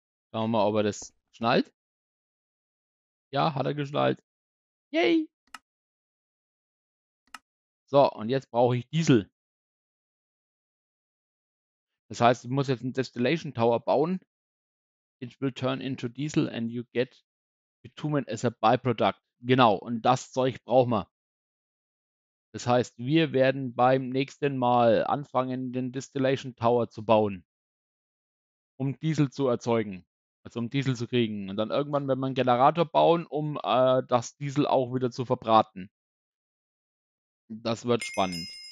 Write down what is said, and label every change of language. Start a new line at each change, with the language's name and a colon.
German: Schauen wir mal, ob er das schnallt. Ja, hat er geschnallt. Yay! So, und jetzt brauche ich Diesel. Das heißt, ich muss jetzt einen Destillation Tower bauen.
English: It will turn into diesel and you get bitumen as a byproduct.
German: Genau, und das Zeug brauchen wir. Das heißt, wir werden beim nächsten Mal anfangen, den Destillation Tower zu bauen. Um Diesel zu erzeugen. Also um Diesel zu kriegen. Und dann irgendwann werden wir einen Generator bauen, um das Diesel auch wieder zu verbraten. Das wird spannend.